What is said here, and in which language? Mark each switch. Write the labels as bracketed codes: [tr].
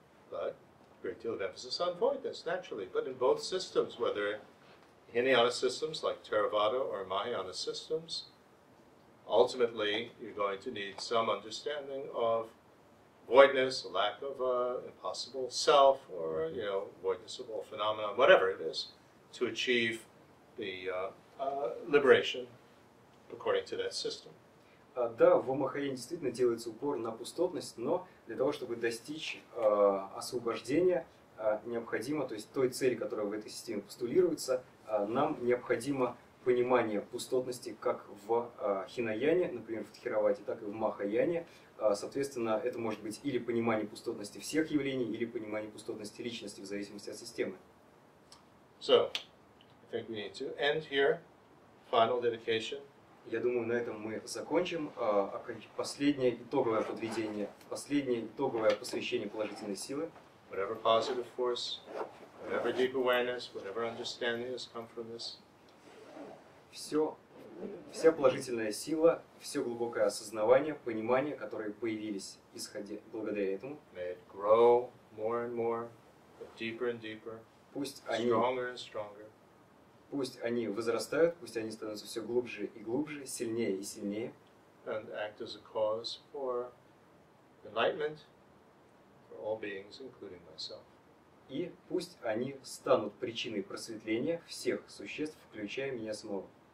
[en] But great deal of emphasis on voidness, naturally. But in both systems, whether Hinayana systems like Theravada or Mahayana systems, ultimately you're going to need some understanding of voidness, lack of impossible self, or you know, voidness of all phenomena, whatever it is, to achieve the liberation. According to that system. [ru] Да, в Махаяне действительно делается упор на пустотность, но для того, чтобы достичь освобождения, необходимо, то есть той цели, которая в этой системе постулируется, нам необходимо понимание пустотности как в Хинаяне, например, в Тхеравате, так и в Махаяне. Соответственно, это может быть или понимание пустотности всех явлений, или понимание пустотности личности в зависимости от системы. [en] So, I think we need to end here. Final dedication. [ru] Я думаю, на этом мы закончим. Последнее итоговое подведение, последнее итоговое посвящение положительной силы. [en] Whatever positive force, whatever deep awareness, whatever understanding has come from this. [ru] Все вся положительная сила, все глубокое осознавание, понимание, которые появились исходя благодаря этому. [en] May it grow more and more, deeper and deeper, stronger and stronger. [ru] Пусть они возрастают, пусть они становятся все глубже и глубже, сильнее и сильнее. [en] And act as a cause for enlightenment for all beings, including myself. [ru] И пусть они станут причиной просветления всех существ, включая меня самого.